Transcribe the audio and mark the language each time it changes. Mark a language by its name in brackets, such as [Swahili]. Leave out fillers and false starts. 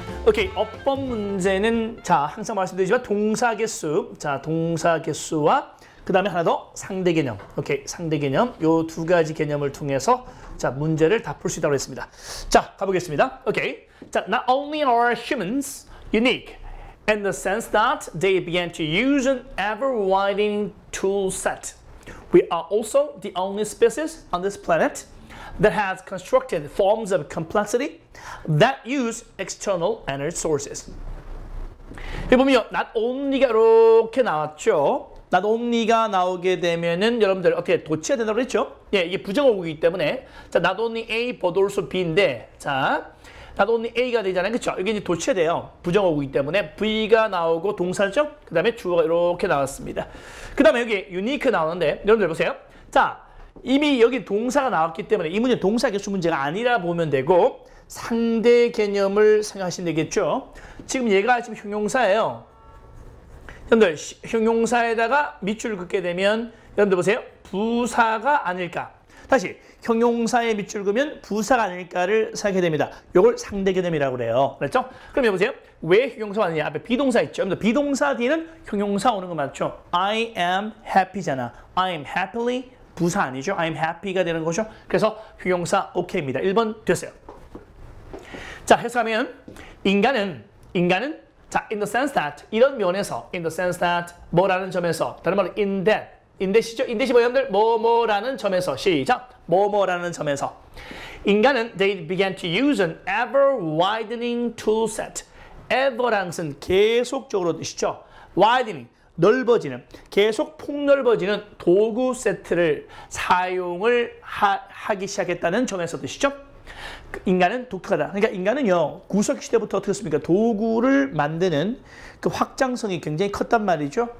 [Korean] 오케이, 어법 문제는 자 항상 말씀드리지만 동사 개수, 자 동사 개수와 그 다음에 하나 더 상대 개념, 오케이 상대 개념 요 두 가지 개념을 통해서 자 문제를 다 풀 수 있다고 했습니다. 자 가보겠습니다. [English] 오케이, 자 not only are humans unique in the sense that they began to use an ever widening tool set, we are also the only species on this planet that has constructed forms of complexity that use external energy sources. [Korean] 보면 not only가 이렇게 나왔죠. not only가 나오게 되면은 여러분들 어떻게 도치가 된다고 그랬죠? 예, 이게 부정어구이기 때문에 자, not only A but also B인데 자, not only A가 되잖아요. 그렇죠? 이게 이제 도치가 돼요. 부정어구이기 때문에 V가 나오고 동사죠? 그다음에 주어가 이렇게 나왔습니다. 그다음에 여기 unique 나오는데 여러분들 보세요. 자, 이미 여기 동사가 나왔기 때문에 이 문제 동사 개수 문제가 아니라 보면 되고 상대 개념을 생각하시면 되겠죠. 지금 얘가 지금 형용사예요. 여러분들 형용사에다가 밑줄을 긋게 되면 여러분들 보세요. 부사가 아닐까. 다시 형용사에 밑줄을 긋으면 부사가 아닐까를 생각해야 됩니다. 이걸 상대 개념이라고 그래요. 그렇죠? 그럼 여보세요. 왜 형용사 왔느냐. 앞에 비동사 있죠. 여러분들 비동사 뒤에는 형용사 오는 거 맞죠? [English] I am happy잖아. I am happily [Korean] 부사 아니죠. I'm happy가 되는 거죠. 그래서 형용사 OK입니다. 1번 됐어요. 자, 해석하면 인간은 자, [English] in the sense that [Korean] 이런 면에서 in the sense that 뭐라는 점에서 다른 말로 [English] in that in that [Korean] 이죠. [English] in that [Korean] 이 뭐 여러분들 뭐뭐라는 점에서 시작 뭐뭐라는 점에서 인간은 [English] they began to use an ever widening tool set. [Korean] ever라는 것은 계속적으로 뜻이죠. widening 넓어지는, 계속 폭넓어지는 도구 세트를 사용을 하기 시작했다는 점에서 뜻이죠. 인간은 독특하다. 그러니까 인간은요, 구석시대부터 어떻게 했습니까? 도구를 만드는 그 확장성이 굉장히 컸단 말이죠.